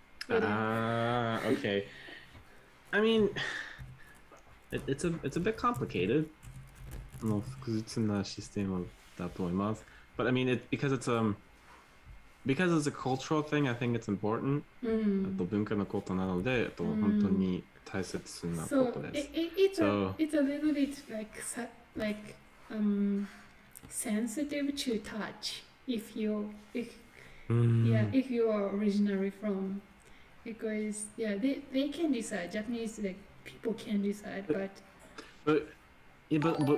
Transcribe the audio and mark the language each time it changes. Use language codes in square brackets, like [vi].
[en] okay. I mean, it's a bit complicated. No, because it's in the system of that point. But I mean, because it's a cultural thing, I think it's important. Mm. [ja] 文化のことなので、本当に大切なことです。 [en] So it's a little bit like sensitive to touch if you are originally from. Because yeah, they can decide. Japanese like people can decide, but